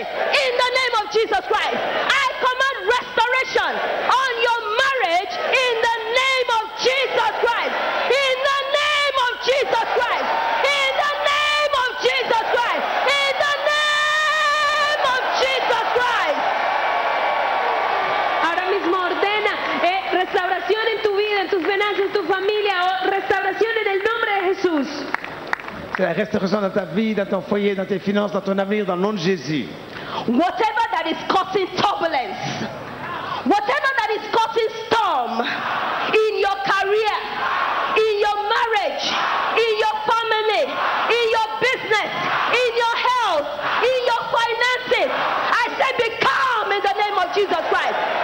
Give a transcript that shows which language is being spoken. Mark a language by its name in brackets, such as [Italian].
[English] In the name of Jesus Christ, I command restoration on your marriage. In the name of Jesus Christ, in the name of Jesus Christ, in the name of Jesus Christ, in the name of Jesus Christ. [Spanish] Ahora mismo ordena restauración en tu vida, en tus finanzas, en tu familia, restauración en el nombre de Jesús. [French] La restauración dans ta vie, dans ton foyer, dans tes finances, dans ton avenir, dans le nom de Jésus. [English] Whatever that is causing turbulence, whatever that is causing storm in your career, in your marriage, in your family, in your business, in your health, in your finances, I say be calm in the name of Jesus Christ.